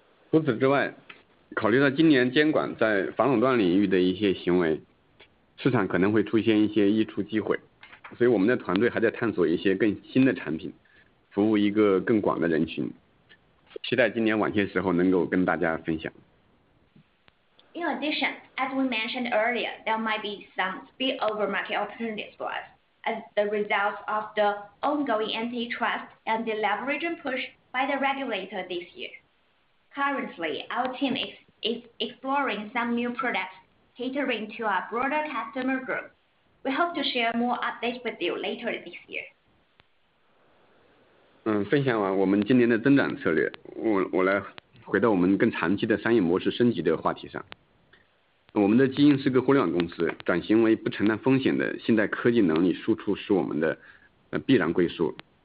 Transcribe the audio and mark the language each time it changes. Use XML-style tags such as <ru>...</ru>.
<zh>除此之外，考虑到今年监管在反垄断领域的一些行为，市场可能会出现一些溢出机会，所以我们的团队还在探索一些更新的产品，服务一个更广的人群，期待今年晚些时候能够跟大家分享。</zh> <en>In addition, as we mentioned earlier, there might be some spillover market opportunities for us as the result of the ongoing antitrust and deleveraging push by the regulator this year. Currently, our team is exploring some new products catering to a broader customer group. We hope to share more updates with you later this year.</en> <zh>分享完我们今年的增长策略，我来回到我们更长期的商业模式升级的话题上。我们的基因是个互联网公司，转型为不承担风险的信贷科技能力输出是我们的必然归宿。</zh>